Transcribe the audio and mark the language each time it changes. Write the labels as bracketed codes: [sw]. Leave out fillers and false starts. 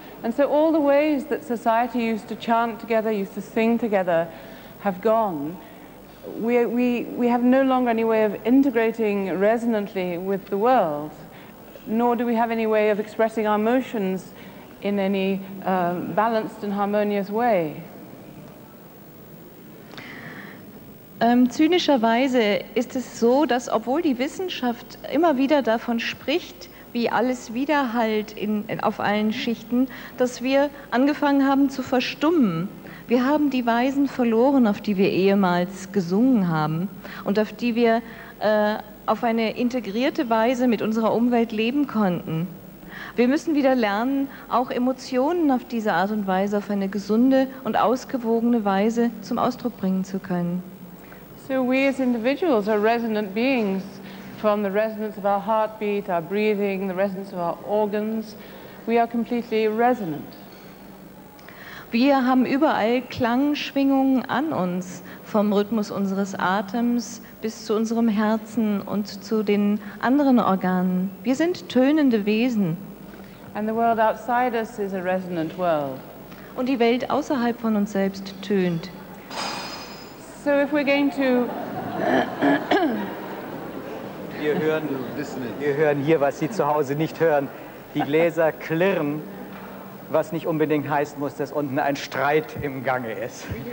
[en] And so all the ways that society used to chant together, used to sing together, have gone. We have no longer any way of integrating resonantly with the world, nor do we have any way of expressing our emotions in any balanced and harmonious way. [de] Zynischerweise ist es so, dass obwohl die Wissenschaft immer wieder davon spricht, wie alles widerhallt auf allen Schichten, dass wir angefangen haben zu verstummen. Wir haben die Weisen verloren, auf die wir ehemals gesungen haben und auf die wir auf eine integrierte Weise mit unserer Umwelt leben konnten. Wir müssen wieder lernen, auch Emotionen auf diese Art und Weise, auf eine gesunde und ausgewogene Weise zum Ausdruck bringen zu können. [en] So we as individuals are resonant beings, from the resonance of our heartbeat, our breathing, the resonance of our organs, we are completely resonant. [de] Wir haben überall Klangschwingungen an uns, vom Rhythmus unseres Atems bis zu unserem Herzen und zu den anderen Organen. Wir sind tönende Wesen. [en] And the world outside us is a resonant world. [de] Und die Welt außerhalb von uns selbst tönt. [en] So if we're going to... [de] Wir hören hier, was Sie zu Hause nicht hören. Die Gläser klirren, was nicht unbedingt heißen muss, dass unten ein Streit im Gange ist.